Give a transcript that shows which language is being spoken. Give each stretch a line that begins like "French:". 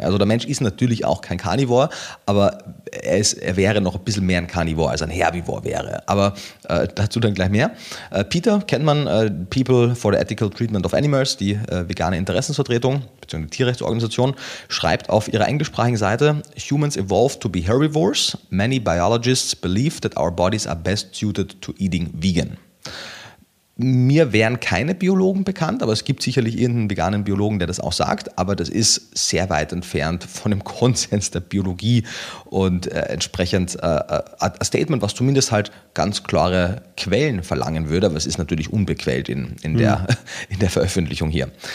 German: Also der Mensch ist natürlich auch kein Carnivore, aber er wäre noch ein bisschen mehr ein Carnivore, als ein Herbivore wäre. Aber dazu dann gleich mehr. Peter kennt man, People for the Ethical Treatment of Animals, die vegane Interessensvertretung bzw. Tierrechtsorganisation, schreibt auf ihrer englischsprachigen Seite,
English: Humans evolved to be herbivores. Many biologists believe that our bodies are best suited to eating vegan.
German: Mir wären keine Biologen bekannt, aber es gibt sicherlich irgendeinen veganen Biologen, der das auch sagt, aber das ist sehr weit entfernt von dem Konsens der Biologie und entsprechend ein Statement, was zumindest halt ganz klare Quellen verlangen würde, aber es ist natürlich unbequält in der Veröffentlichung hier.